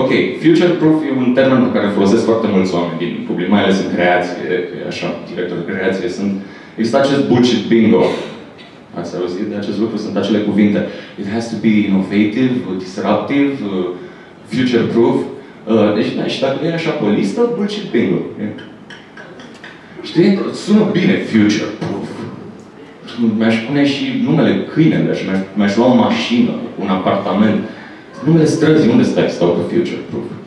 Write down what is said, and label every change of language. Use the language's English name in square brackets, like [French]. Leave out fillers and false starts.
[Romanian] Ok, future proof e un termen pe care folosesc foarte mulți oameni din public, mai ales în creație, că e așa, director de creație, sunt... Există acest bullshit bingo. Ați auzit de acest lucru? Sunt acele cuvinte. [English] It has to be innovative, disruptive, future proof. [Romanian] Deci, da, și dacă e așa pe listă, bullshit bingo. Știi, sună bine future proof. Mi-aș pune și numele câinele, mi-aș lua o mașină, un apartament. Numele străzii, unde stai? Stau pe future proof.